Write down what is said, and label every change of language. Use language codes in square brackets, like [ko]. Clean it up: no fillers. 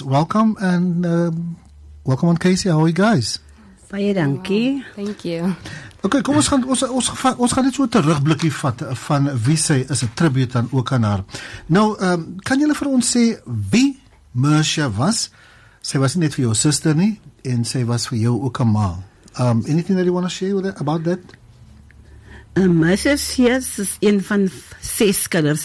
[en] Welcome and welcome on Casey, how are you guys? [af] Baie dankie. Wow, [en] thank you. [af] Okay, kom ons gaan ons gaan net so 'n terugblikkie vat van wie sy is, 'n tribute aan ook aan haar. Nou, kan julle vir ons sê wie Marcia was? Sy was nie net vir jou suster nie en sy was vir jou ook 'n ma. [en] Anything that you want to share with her about that? [af] Marcia Sears is een van 6 kinders.